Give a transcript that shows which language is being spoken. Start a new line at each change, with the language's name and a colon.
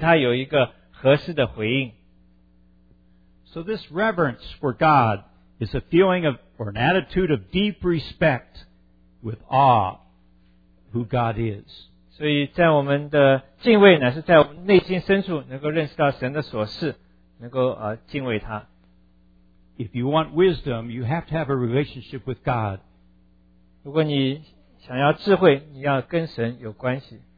Chinese: 那乃是对于神的完全、神的性情的认识、了解，而且敏感，能够对他有一个合适的回应。
English: So this reverence for God is a feeling of or an attitude of deep respect with awe who God is.
Chinese: 所以在我们的敬畏乃是在我们内心深处能够认识到神的所事，能够敬畏他。
English: If you want wisdom, you have to have a relationship with God.
Chinese: 如果你想要智慧，你要跟神有关系。